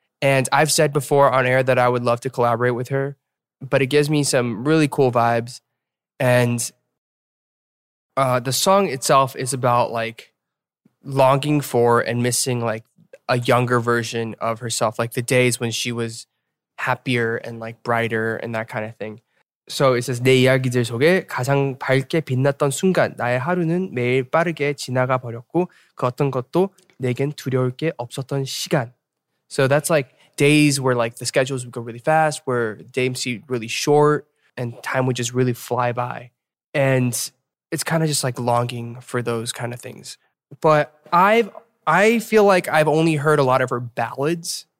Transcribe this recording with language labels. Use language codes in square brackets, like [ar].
[en] And I've said before on air that I would love to collaborate with her. But it gives me some really cool vibes. And the song itself is about like longing for and missing like a younger version of herself. Like the days when she was happier and like brighter and that kind of thing. So it says, [ko] 내 이야기들 속에 가장 밝게 빛났던 순간 나의 하루는 매일 빠르게 지나가 버렸고 그 어떤 것도 내겐 두려울 게 없었던 시간. [en] So that's like days where like the schedules would go really fast, where days seemed really short and time would just really fly by. And it's kind of just like longing for those kind of things. But I feel like I've only heard a lot of her ballads.